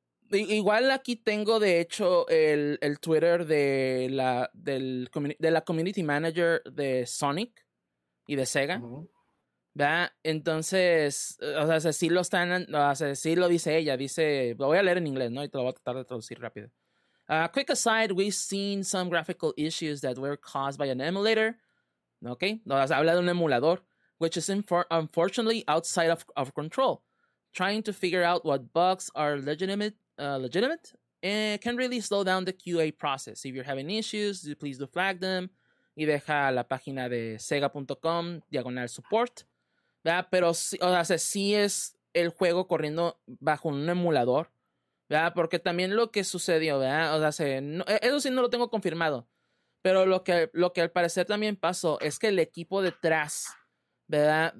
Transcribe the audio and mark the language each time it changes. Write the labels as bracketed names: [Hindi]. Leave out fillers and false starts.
[Spanish] Igual aquí tengo, de hecho, el Twitter de la community manager de Sonic y de Sega, ¿verdad? Entonces, o sea, sí lo están, o sea, sí lo dice ella, dice, lo voy a leer en inglés, ¿no? Y te lo voy a tratar de traducir rápido. [English] Quick aside, we've seen some graphical issues that were caused by an emulator. [Spanish] Okay, no, habla de un emulador, [English] which is unfortunately outside of control. Trying to figure out what bugs are legitimate, and can really slow down the QA process. If you're having issues, please do flag them. [Spanish] Y deja la página de sega.com/support. ¿Verdad? Pero sí, o sea, sí es el juego corriendo bajo un emulador. ¿Verdad? Porque también lo que sucedió, ¿verdad? O sea, eso sí no lo tengo confirmado, pero lo que al parecer también pasó es que el equipo detrás, ¿verdad?